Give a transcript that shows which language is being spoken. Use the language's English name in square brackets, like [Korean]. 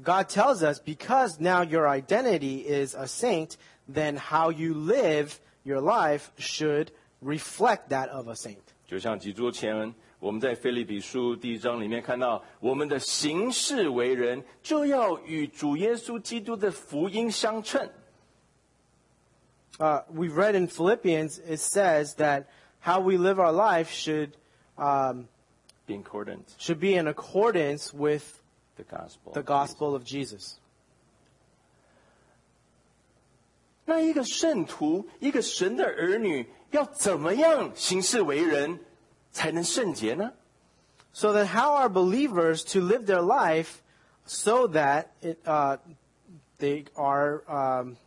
[English] God tells us, because now your identity is a saint, then how you live your life should reflect that of a saint. [Chinese] 就像几周前，我们在腓立比书第一章里面看到，我们的行事为人就要与主耶稣基督的福音相称。 [English] We've read in Philippians, it says that how we live our life should be in accordance, with the gospel, of Jesus. [Chinese] 那一个圣徒，一个神的儿女，要怎么样行事为人才能圣洁呢？ [English] So that how are believers to live their life so that it, they are...